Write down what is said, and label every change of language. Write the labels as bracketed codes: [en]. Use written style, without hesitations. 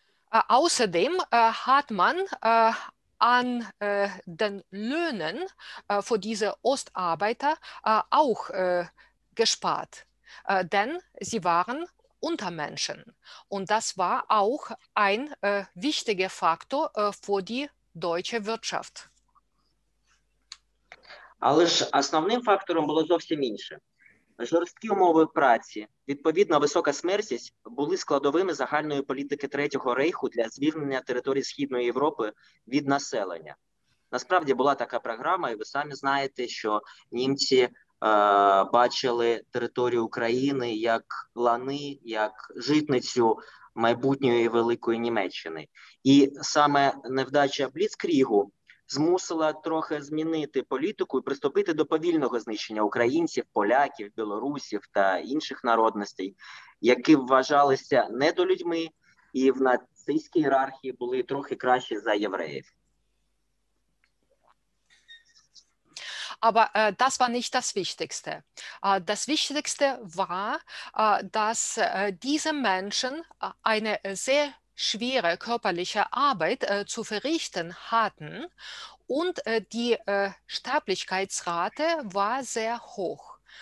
[de] Außerdem hat man an den Löhnen für diese Ostarbeiter auch gespart, denn sie waren Untermenschen. Und das war auch ein wichtiger Faktor für die deutsche Wirtschaft. [uk] Але ж основним фактором було зовсім інше. Жорсткі умови праці, відповідно висока смертність, були складовими загальної політики Третього Рейху для звільнення території Східної Європи від населення. Насправді була така програма, і ви самі знаєте, що німці бачили територію України як лани, як житницю майбутньої Великої Німеччини. І саме невдача Бліцкрігу змусила трохи змінити політику і приступити до повільного знищення українців, поляків, білорусів та інших народностей, які вважалися недолюдьми і в нацистській ієрархії були трохи краще за євреїв. [de] Aber das war nicht das Wichtigste. Das Wichtigste war, dass diese Menschen eine sehr schwere körperliche Arbeit zu verrichten hatten und die Sterblichkeitsrate war sehr hoch.